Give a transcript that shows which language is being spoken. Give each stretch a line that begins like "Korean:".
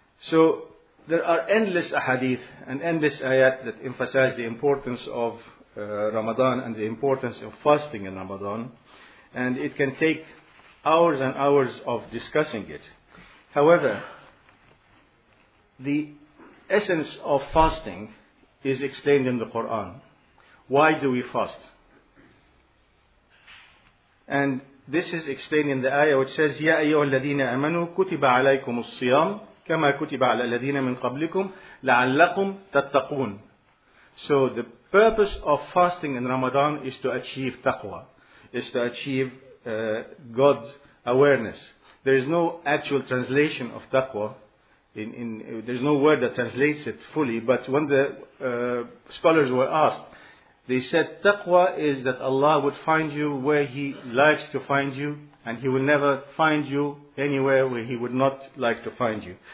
English: So there are endless ahadith and endless ayat that emphasize the importance of Ramadan and the importance of fasting in Ramadan. And it can take hours and hours of discussing it. However, the essence of fasting is explained in the Quran. Why do we fast? And this is explained in the ayah which says,
Arabic: يَا أَيُّهَا الَّذِينَ أَمَنُوا كُتِبَ عَلَيْكُمُ الصِّيَامُ كَمَا كُتِبَ عَلَى الَّذِينَ مِنْ قَبْلِكُمْ لَعَلَّكُمْ تَتَّقُونَ.
English: So the purpose of fasting in Ramadan is to achieve taqwa, is to achieve God's awareness. There is no actual translation of taqwa. There is no word that translates it fully. But when the scholars were asked, they said taqwa is that Allah would find you where He likes to find you, and He will never find you anywhere where He would not like to find you.